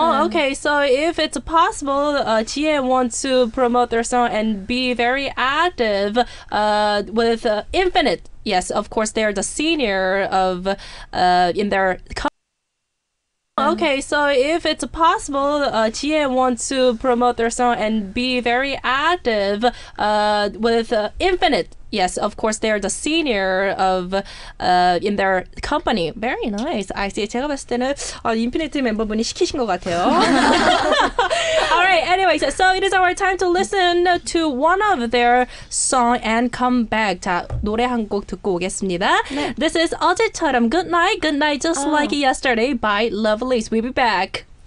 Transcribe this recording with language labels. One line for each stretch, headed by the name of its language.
English: Okay, so if it's possible, Jie wants to promote their song and be very active with Infinite. Yes, of course, they're the senior of in their Okay, so if it's possible, Jie wants to promote their song and be very active with Infinite. Yes, of course, they're the senior of in their company. Very nice. I see.
Korean: 제가 봤을 때는 인피니트 멤버분이 시키신 것 같아요.
English: All right, anyways, so it is our time to listen to one of their song and come back.
Korean: 자, 노래 한 곡 듣고 오겠습니다. 네.
English: This is 어제처럼 good night just like yesterday by Lovelies. We'll be back.